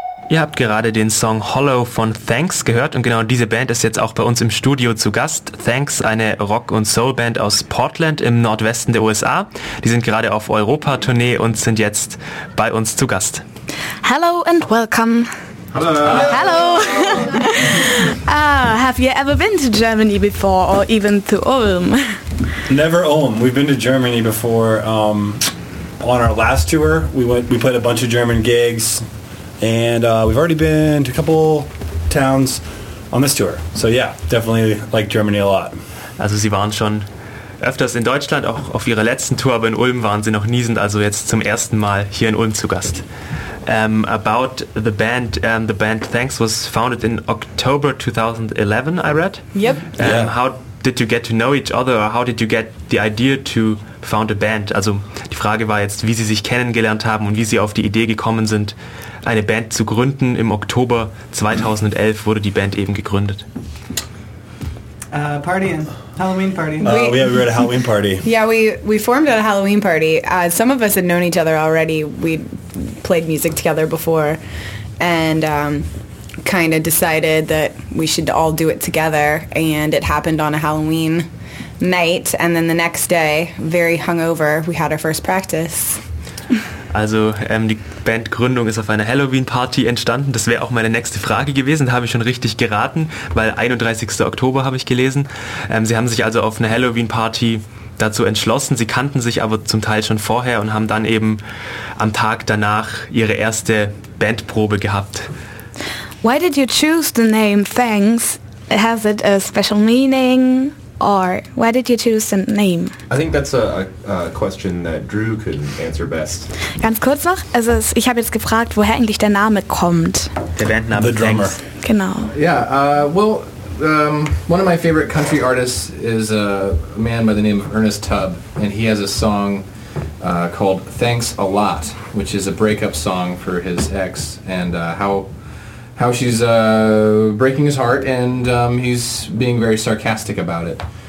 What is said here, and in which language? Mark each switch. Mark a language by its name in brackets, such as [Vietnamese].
[German] Ihr habt gerade den Song Hollow von Thanks gehört und genau diese Band ist jetzt auch bei uns im Studio zu Gast. Thanks, eine Rock- und Soul-Band aus Portland im Nordwesten der USA. Die sind gerade auf Europa-Tournee und sind jetzt bei uns zu Gast. [English] Hello and welcome. Hello. Hello. Have you ever been to Germany before or even to Ulm? Never Ulm. We've been to Germany before. On our last tour, we played a bunch of German gigs. And we've already been to a couple towns on this tour. So yeah, definitely like Germany a lot. [German] Also Sie waren schon öfters in Deutschland, auch auf Ihrer letzten Tour, aber in Ulm waren Sie noch nie, sind also jetzt zum ersten Mal hier in Ulm zu Gast. [English] About the band Thanks was founded in October 2011, I read. Yep. How did you get to know each other? Or how did you get the idea to found a band? [German] Also die Frage war jetzt, wie Sie sich kennengelernt haben und wie Sie auf die Idee gekommen sind, eine Band zu gründen. Im Oktober 2011 wurde die Band eben gegründet. [English] Halloween party. We were at a Halloween party. Yeah, we formed at a Halloween party. Some of us had known each other already. We played music together before and kind of decided that we should all do it together, and it happened on a Halloween night, and then the next day, very hungover, we had our first practice. [German] Also die Bandgründung ist auf einer Halloween-Party entstanden. Das wäre auch meine nächste Frage gewesen, habe ich schon richtig geraten, weil 31. Oktober habe ich gelesen. Sie haben sich also auf eine Halloween-Party dazu entschlossen. Sie kannten sich aber zum Teil schon vorher und haben dann eben am Tag danach ihre erste Bandprobe gehabt. [English] Why did you choose the name Thanks? Has it a special meaning? Or why did you choose the name? I think that's a question that Drew could answer best. [German] Ganz kurz noch, also ich habe jetzt gefragt, woher eigentlich der Name kommt. Der Bandname. [English] The drummer. Thanks. [German] Genau. [English] Yeah, one of my favorite country artists is a man by the name of Ernest Tubb, and he has a song called Thanks a Lot, which is a breakup song for his ex, and how she's breaking his heart, and he's being very sarcastic about it.